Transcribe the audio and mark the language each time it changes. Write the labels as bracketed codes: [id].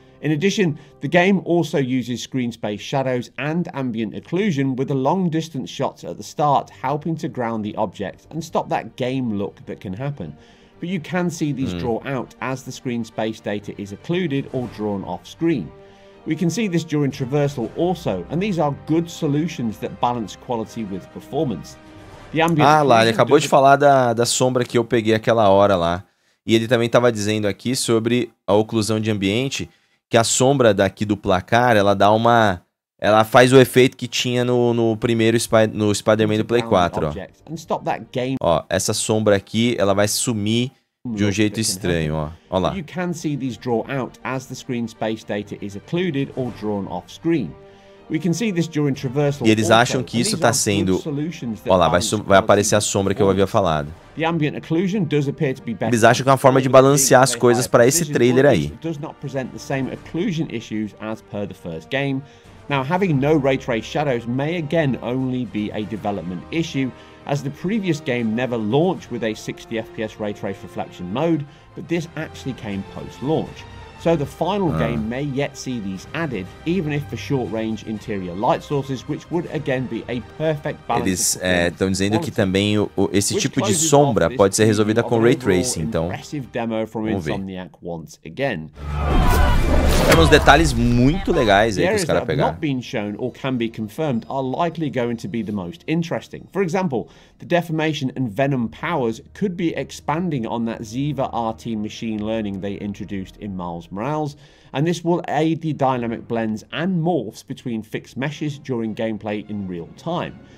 [en] In addition, the game also uses screen space shadows and ambient occlusion, with the long distance shots at the start helping to ground the object and stop that game look that can happen. But you can see these draw out as the screen space data is occluded or drawn off screen. We can see this during traversal also, and these are good solutions that balance quality with performance. The ambient [pt] ele acabou de falar da sombra que eu peguei aquela hora lá. E ele também estava dizendo aqui sobre a oclusão de ambiente, que a sombra daqui do placar, ela dá uma... Ela faz o efeito que tinha no primeiro no Spider-Man do Play 4, ó. Ó, essa sombra aqui, ela vai sumir de um jeito estranho, ó. Ó lá. [en] You can see these draw out as the screen space data is occluded or drawn off screen. We can see this during traversal. [pt] E eles acham que isso tá sendo... Ó lá, vai aparecer a sombra que eu havia falado. Eles acham que é uma forma de balancear as coisas para esse trailer aí. [en] Does not present the same occlusion issues as per the first game. Now, having no ray trace shadows may again only be a development issue, as the previous game never launched with a 60 FPS ray trace reflection mode, but this actually came post-launch. So the final game may yet see these added, even if for short-range interior light sources, which would again be a perfect balance. [pt] Eles estão dizendo que também esse tipo de sombra pode ser resolvida com ray tracing, então. [en] Impressive demo from Insomniac once again. [pt] Tem uns detalhes muito legais aí que os caras pegaram. [en] Not being shown or can be confirmed are likely going to be the most interesting. For example, the deformation and venom powers could be expanding on that Ziva RT machine learning they introduced in Miles Morales, and this will aid the dynamic blends and morphs between fixed meshes during gameplay in real time.